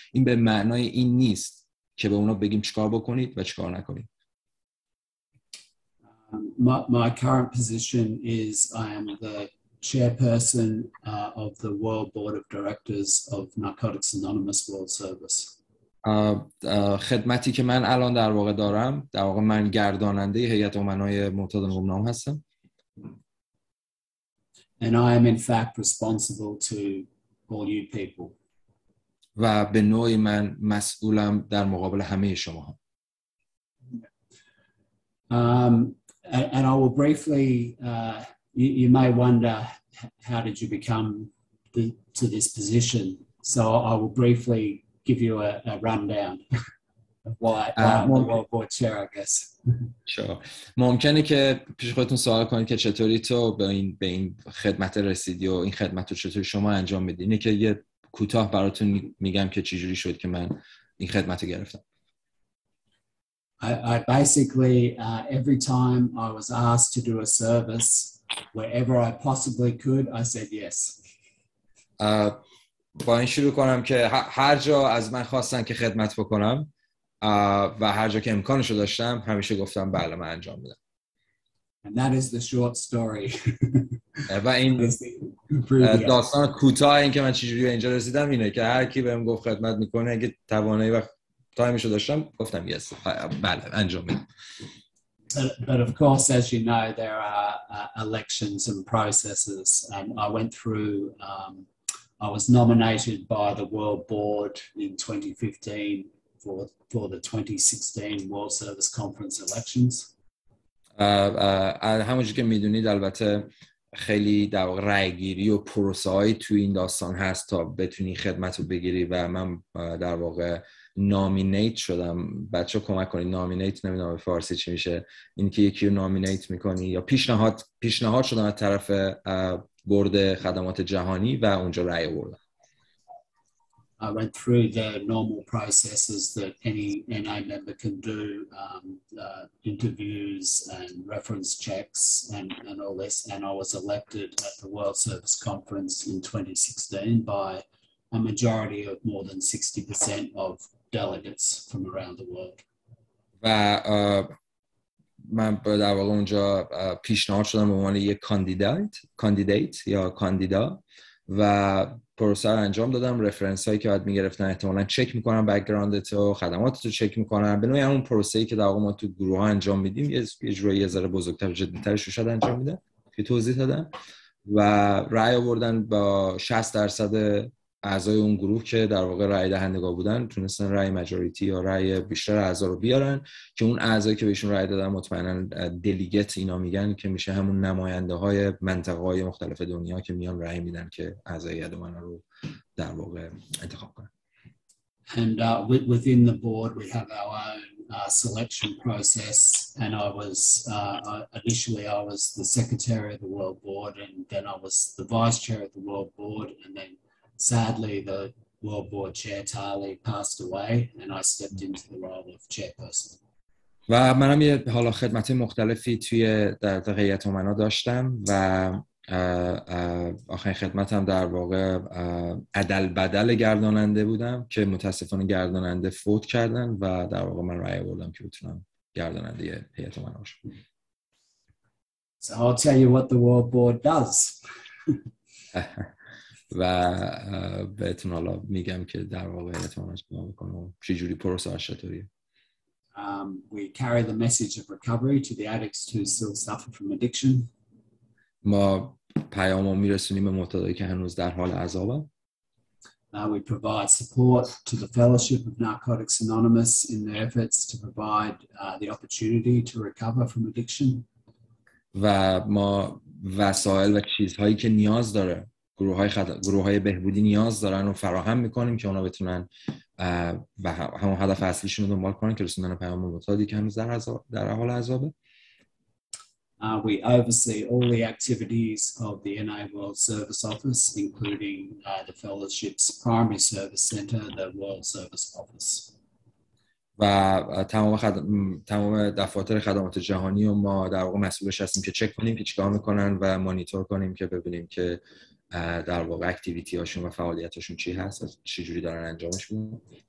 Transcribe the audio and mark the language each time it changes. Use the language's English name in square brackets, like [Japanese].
[Persian] این به معنای این نیست که به اونا بگیم چیکار بکنید و چیکار نکنید. [English] My current position is I am the chairperson of the World Board of Directors of Narcotics Anonymous World Service. [Persian] خدمتی که من الان در واقع دارم، در واقع من گرداننده هیئت امنای معتاد گمنام هستم. [English] And I am in fact responsible to all you people. [Persian] و به نوعی من مسئولم در مقابل همه شما. [English] And I will briefly, you may wonder, how did you become to this position? So I will briefly give you a rundown of why I'm the World Board Chair, I guess. Sure. [Persian] ممکنه که پیش خودتون سوال کنید که چطوری تو به این خدمت رسیدی و این خدمت رو چطوری شما انجام میدی؟ اینه که یه کوتاه براتون میگم که چجوری شد که من این خدمت رو گرفتم. [English] I basically, every time I was asked to do a service, wherever I possibly could, I said yes. [Persian] با این شروع کنم که هر جا از من خواستن که خدمت بکنم و هر جا که امکانشو داشتم، همیشه گفتم بله، من انجام میدم. [English] And that is the short story. [Persian] و این داستان کوتاه این که من چجوری اینجا رسیدم اینه که هر کی بهم گفت خدمت میکنه، اگه توانایی و تایمشو داشتم، گفتم [English] yes. [Persian] بله، انجام میدم. [English] But of course, as you know, there are elections and processes. I went through, I was nominated by the World Board in 2015 for the 2016 World Service Conference elections. [Persian] همونجور که میدونید البته خیلی در واقع رأی گیری و پروسه‌ای تو این داستان هست تا بتونی خدمت رو بگیری و من در واقع نامینیت شدم. بچه کمک کنید، نامینیت نمیدونم به فارسی چی میشه، این که یکی رو نامینیت میکنی یا پیشنهاد شدم از طرف بورد خدمات جهانی و اونجا رأی آوردم. [English] I went through the normal processes that any NA member can do, interviews and reference checks and all this, and I was elected at the World Service Conference in 2016 by a majority of more than 60% of delegates from around the world. [Persian] من در واقع اونجا پیشنهاد شدم به عنوان یک کاندیدیت یا کاندیدا و پروسه رو انجام دادم. رفرنس هایی که باید میگرفتن احتمالا چک میکنم بکگراندت و خدماتت رو چک میکنم. به نوعی همون پروسه ای که در واقع ما تو گروه ها انجام میدیم، یه جورایی یه ذره بزرگتر جدیترش رو شد انجام میدم که توضیح دادم و رأی آوردن با 60% اعضای اون گروه که در واقع رأی دهندگان بودن، تونستن رأی ماجوریتی یا رأی بیشتر اعضا رو بیارن که اون اعضایی که بهشون رأی دادن مطمئنن دلیگیت اینا میگن که میشه همون نماینده های منطقه های مختلف دنیا که میان رأی میدن که اعضای یدومن رو در واقع انتخاب کنن. [English] And within the board we have our own selection process, and I was initially I was the secretary of the World Board, and then I was the vice chair of the World Board, and then sadly, the World Board Chair Tali passed away, and I stepped into the role of chairperson. [Persian] و منم یه حالا خدمات مختلفی توی در هیئت امنا داشتم و آخرین خدمتم در واقع عدل بدل گرداننده بودم که متاسفانه گرداننده فوت کردن و در واقع من رأی آوردم که بتونم گرداننده هیئت امنا باشم. [English] So I'll tell you what the World Board does. [Persian] و بهتون حالا میگم که در واقع هیئتمون چیکار میکنه و چی جوری پروسه‌اش چطوریه. [English] We carry the message of recovery to the addicts who still suffer from addiction. [Persian] ما پیامو میرسونیم به معتادایی که هنوز در حال عذابن. [English] We provide support to the Fellowship of Narcotics Anonymous in their efforts to provide the opportunity to recover from addiction. [Persian] و ما وسایل و چیزهایی که نیاز داره گروه های بهبودی نیاز دارن رو فراهم میکنیم که اونا بتونن و همون هدف اصلیشون رو دنبال کنن که رسوندن پیام معتادی که هنوز در حال عذابه. [English] We oversee all the activities of the NA World Service Office, including the Fellowship's Primary Service Center, the World Service Office. [Persian] و تمام دفاتر خدمات جهانی و ما در واقع مسئولش هستیم که چک کنیم که چیکار میکنن و مانیتور کنیم که ببینیم که در واقع اکتیویتی هاشون و فعالیت هاشون چی هست و چی جوری دارن انجامش میدن.